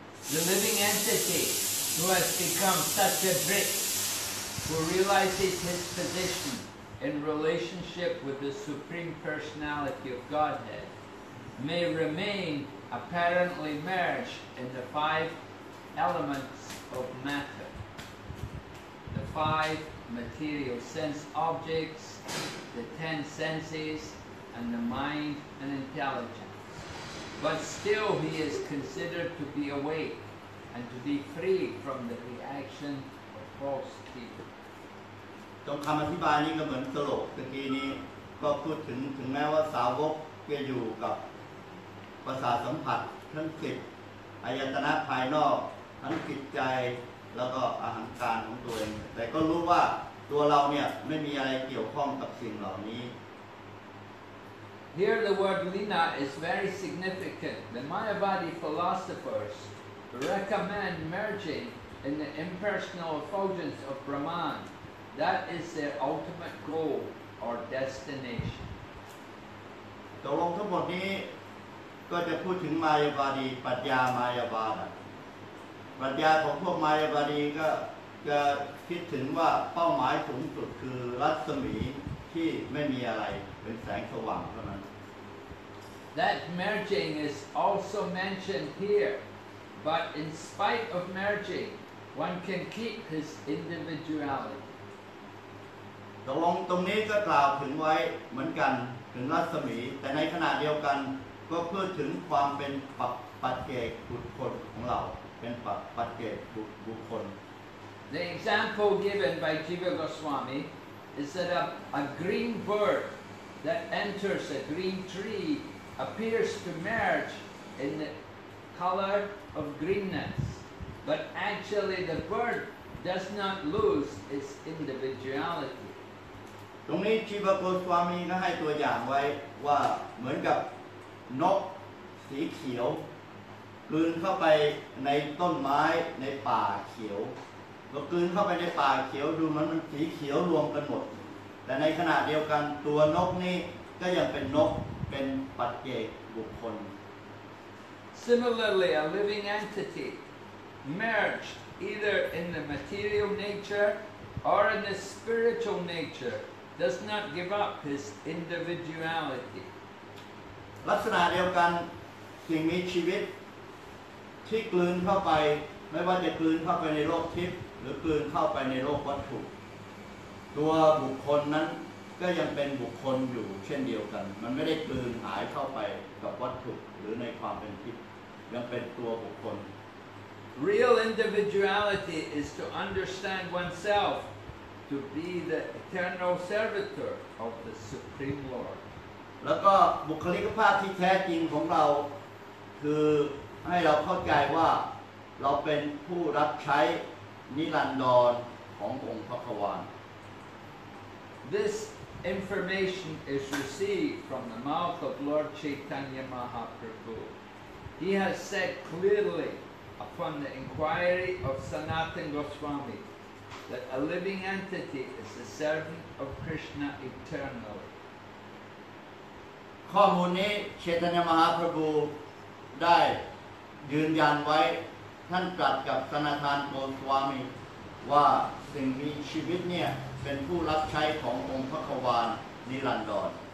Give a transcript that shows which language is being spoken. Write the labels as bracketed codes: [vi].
[en] The living entity who has become such a brick, who realizes his position in relationship with the Supreme Personality of Godhead, may remain apparently merged in the five elements of matter, the five material sense objects, the 10 senses, and the mind and intelligence. But still he is considered to be awake. And to be free from the reaction of false people. [th] ตรงคำอธิบายนี้ก็เหมือนตลกเมื่อกี้นี้ก็พูดถึงแม้ว่าสาวกจะอยู่กับประสาทสัมผัสทั้งจิตอายตนะภายนอกทั้งจิตใจแล้วก็อาหารการของตัวเองแต่ก็รู้ว่าตัวเราเนี่ยไม่มีอะไรเกี่ยวข้องกับสิ่งเหล่านี้ [en] Here the word lina is very significant. The Mayavadi philosophersRecommend merging in the impersonal effulgence of Brahman. That is their ultimate goal or destination. [th] ตกลงทั้งหมดนี้ก็จะพูดถึงมายาวาดีปรัชญามายาวาดปรัชญาของพวกมายาวาดีก็จะคิดถึงว่าเป้าหมายสูงสุดคือรัศมีที่ไม่มีอะไรเป็นแสงสว่างเท่านั้น [en] That merging is also mentioned here. But in spite of merging, one can keep his individuality. [th] ตรงนี้ก็กล่าวถึงไว้เหมือนกันถึงรัศมีแต่ในขณะเดียวกันก็เพื่อถึงความเป็นปัจเจกบุคคลของเราเป็นปัจเจกบุคคล [en] The example given by Jiva Goswami is that a green bird that enters a green tree appears to merge in the color of greenness, but actually the bird does not lose its individuality. [th] ตรงนี้ชีวโกสวามีก็ให้ตัวอย่างไว้ว่าเหมือนกับนกสีเขียวกลืนเข้าไปในต้นไม้ในป่าเขียวก็กลืนเข้าไปในป่าเขียวดูมันสีเขียวรวมกันหมดแต่ในขณะเดียวกันตัวนกนี้ก็ยังเป็นนกเป็นปัจเจกบุคคล [en] Similarly, a living entity merged either in the material nature or in the spiritual nature does not give up his individuality. [th] ลักษณะเดียวกันสิ่งมีชีวิตที่กลืนเข้าไปไม่ว่าจะกลืนเข้าไปในโลกทิพย์หรือกลืนเข้าไปในโลกวัตถุตัวบุคคลนั้นก็ยังเป็นบุคคลอยู่เช่นเดียวกันมันไม่ได้กลืนหายเข้าไปกับวัตถุหรือในความเป็นทิพย์ยังเป็นตัวบุคคล [en] Real individuality is to understand oneself to be the eternal servitor of the Supreme Lord [th] แล้วก็บุคลิกภาพที่แท้จริงของเราคือให้เราเข้าใจว่าเราเป็นผู้รับใช้นิรันดรขององค์พระผู้เป็นเจ้า [en] This information is received from the mouth of Lord Chaitanya MahaprabhuHe has said clearly upon the inquiry of Sanatan Goswami that a living entity is the servant of Krishna eternally. [th] ข้อมูลนี้ Chaitanya Mahaprabhu ได้ยืนยันไว้ท่านตรัสกับ Sanatan Goswami ว่าสิ่งมีชีวิตเนี่ยเป็นผู้รับใช้ขององค์พระควานนิรันดร